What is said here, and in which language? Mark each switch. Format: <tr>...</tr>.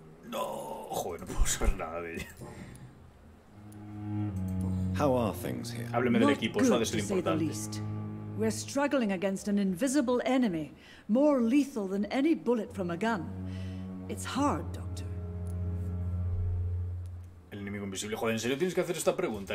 <es>No, joder, no puedo saber nada de ella.</es> <en>How are things here?</en> <es>Hábleme del equipo, eso ha de ser importante.</es> <en>We're struggling against an invisible enemy, more lethal than any bullet from a gun. It's hard, Doctor.</en> <es>El enemigo invisible, joder, ¿en serio tienes que hacer esta pregunta?</es>